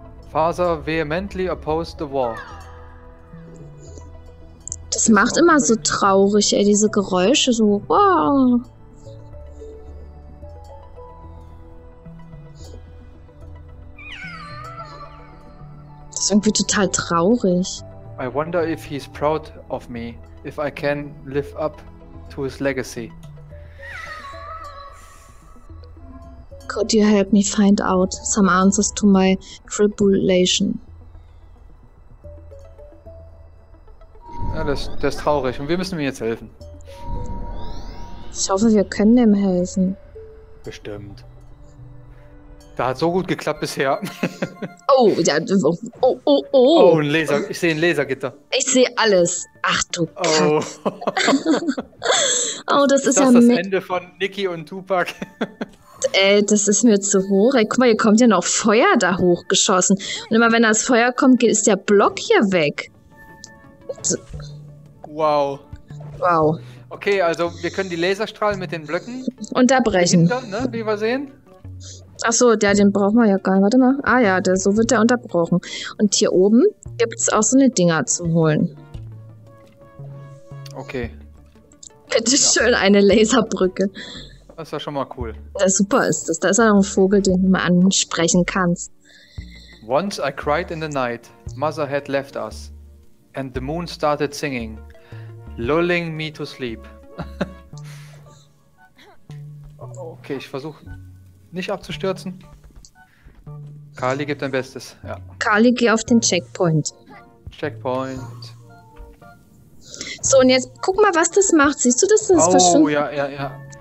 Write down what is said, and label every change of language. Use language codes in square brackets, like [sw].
[en] Father vehemently opposed the war. [de] Das macht immer so traurig, ey, diese Geräusche, so, wow. Das ist irgendwie total traurig. [en] I wonder if he's proud of me, if I can live up to his legacy. Could you help me find out some answers to my tribulation? [de] Ja, das ist traurig und wir müssen ihm jetzt helfen. Ich hoffe, wir können ihm helfen. Bestimmt. Da hat so gut geklappt bisher. Oh, ja. Oh. Oh, ein Laser. Ich sehe ein Lasergitter. Ich sehe alles. Ach du Kack. Oh. Oh, das ist ja das Ende von Niki und Tupac. Ey, das ist mir zu hoch. Ey, guck mal, hier kommt ja noch Feuer da hochgeschossen. Und immer wenn das Feuer kommt, ist der Block hier weg. Wow. Okay, also wir können die Laserstrahlen mit den Blöcken unterbrechen. Ne, wie wir sehen. Achso, der, den brauchen wir ja gar nicht. Warte mal. Ah ja, der, so wird der unterbrochen. Und hier oben gibt es auch so eine Dinger zum Holen. Okay. Bitte schön, eine Laserbrücke. Das war schon mal cool. Ja, super ist das. Da ist auch noch ein Vogel, den du mal ansprechen kannst. [en] Once I cried in the night, Mother had left us. And the moon started singing, lulling me to sleep. [de] Okay, ich versuche nicht abzustürzen. Carly gibt dein Bestes. Ja. Carly, geh auf den Checkpoint. Checkpoint. So, und jetzt guck mal, was das macht. Siehst du das? Das ist verschwunden. Oh, ja, ja, ja.